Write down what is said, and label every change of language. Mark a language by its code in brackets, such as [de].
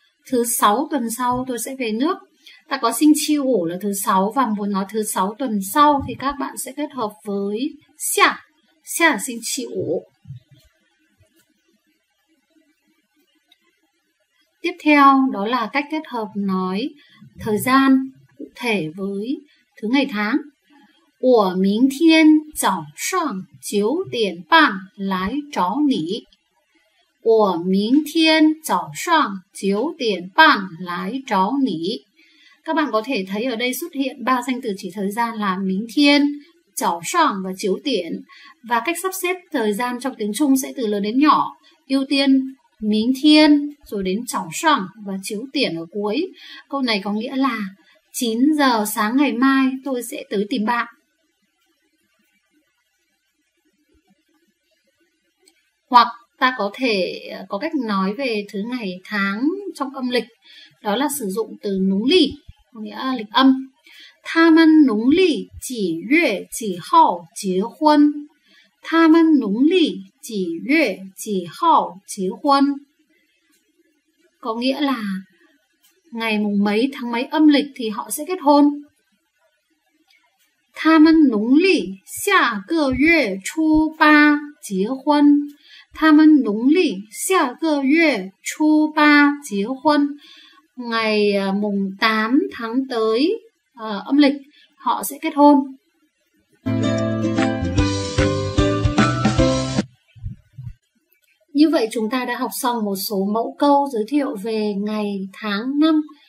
[vi] Thứ 6 tuần sau tôi sẽ về nước. Ta có sinh chi ủ là thứ 6 và muốn nói thứ 6 tuần sau thì các bạn sẽ kết hợp với 下, [zh] 下星期五. [vi] Tiếp theo đó là cách kết hợp nói thời gian cụ thể với thứ ngày tháng. [zh] 我明天早上九点半来找你。我明天早上九点半来找你。 [vi] Các bạn có thể thấy ở đây xuất hiện ba danh từ chỉ thời gian là 明天, 早上và 九点. Và cách sắp xếp thời gian trong tiếng Trung sẽ từ lớn đến nhỏ. Ưu tiên 明天, rồi đến 早上và 九点 ở cuối. Câu này có nghĩa là 9 giờ sáng ngày mai tôi sẽ tới tìm bạn. Hoặc ta có thể có cách nói về thứ ngày tháng trong âm lịch. Đó là sử dụng từ núng lì, có nghĩa là lịch âm. [zh] 他们农历几月几号结婚? 他们农历几月几号结婚? [vi] Có nghĩa là ngày mùng mấy tháng mấy âm lịch thì họ sẽ kết hôn. [zh] 他们农历下个月初八结婚。他们农历下个月初八结婚。 [vi] Ngày mùng 8 tháng tới âm lịch họ sẽ kết hôn. Như vậy chúng ta đã học xong một số mẫu câu giới thiệu về ngày tháng năm.